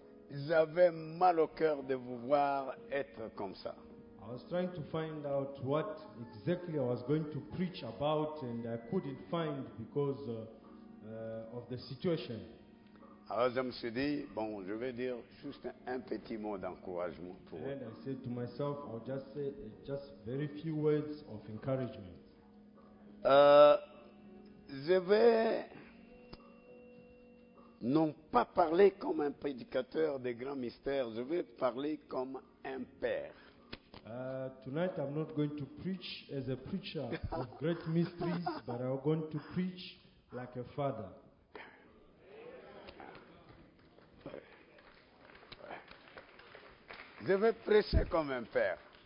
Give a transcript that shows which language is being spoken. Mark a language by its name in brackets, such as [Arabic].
[French] J'avais mal au cœur de vous voir être comme ça. [English] I was trying to find out what exactly I was going to preach about, and I couldn't find because of the situation. [French] Alors je me suis dit, bon, je vais dire juste un petit mot d'encouragement pour [English] vous. And I said to myself, I'll just say just very few words of encouragement. [French] Je vais non pas parler comme un prédicateur des grands mystères, je vais parler comme un père. [English] Tonight I'm not going to preach as a preacher of great mysteries, but I'm going to preach like a father. [French] Je vais prêcher comme un père.